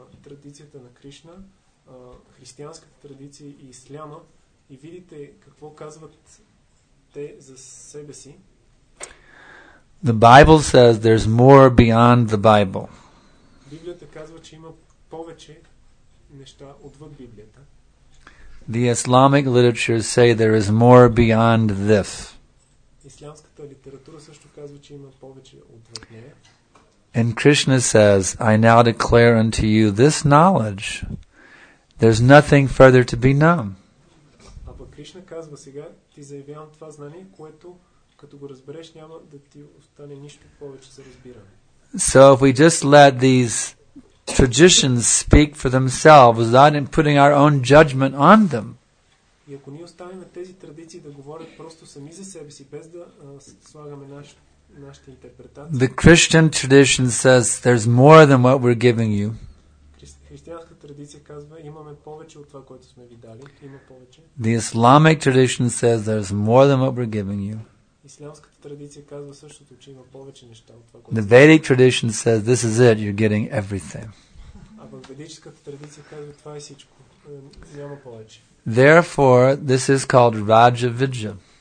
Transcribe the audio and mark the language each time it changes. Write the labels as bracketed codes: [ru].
[bg] традицията на Кришна, християнската традиция и исляма, и видите какво казват те за себе си. [en] The Bible says there's more beyond the Bible. [bg] Библията казва, че има повече неща отвъд Библията. [en] The Islamic literature say there is more beyond this. [bg] Ислямската литература също казва, че има повече отвъд нея. [en] And Krishna says, I now declare unto you this knowledge. There's nothing further to be known. [bg] А пък Кришна казва сега, ти заявявам това знание, което като го разбереш, няма да ти остане нищо повече за разбиране. [en] So if we just let these traditions speak for themselves without putting our own judgment on them. [bg] И ако ние оставим тези традиции да говорят просто сами за себе си, без да слагаме нашето. [en] The Christian tradition says there's more than what we're giving you. [bg] Християнската традиция казва, имаме повече от това, което сме ви дали, има повече. [en] The Islamic tradition says there's more than what we're giving you. [bg] Ислямската традиция казва същото, че има повече неща от това, което. [en] The Vedic tradition says this is it, you're getting everything. [bg] А ведическата традиция казва, това е всичко, няма повече. [en] Therefore, this is called Raja Vidya.